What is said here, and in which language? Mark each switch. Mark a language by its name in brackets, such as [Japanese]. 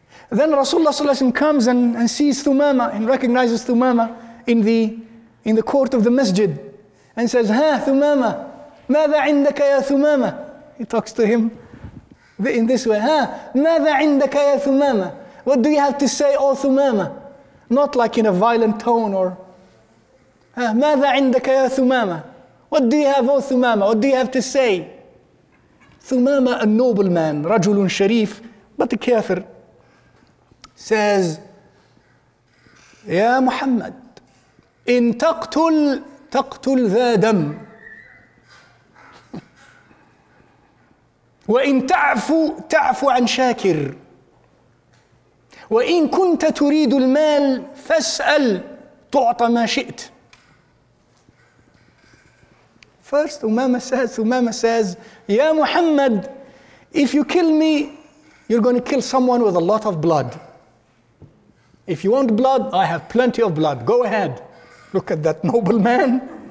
[English] Then Rasulullah sallallahu alayhi wa sallam comes and sees Thumama and recognizes Thumama in the court of the masjid and says, Ha Thumama, [Arabic] ماذا عندك يا [English] Thumama? He talks to him in this way, Ha, [Arabic] ماذا عندك يا [English] Thumama? What do you have to say, O Thumama? Not like in a violent tone or [Arabic] مَاذَا عِنْدَكَ يَا ثُمَامَ. [English] What do you have, O Thumama? What do you have to say? Thumama, a nobleman, [Arabic] رَجُلٌ شَرِيف, [English] but a kafir, says, [Arabic] يَا مُحَمَّدْ إِن تَقْتُلْ تَقْتُلْ ذَا دَمْ وَإِن تَعْفُ تَعْفُ عَنْ شَاكِرْ وَإِن كُنْتَ تُرِيدُ الْمَالِ فَاسْأَلْ تُعْطَ مَا شِئْتْ. [English] First, Umama says, Ya Muhammad, if you kill me, you're going to kill someone with a lot of blood. If you want blood, I have plenty of blood. Go ahead. Look at that noble man.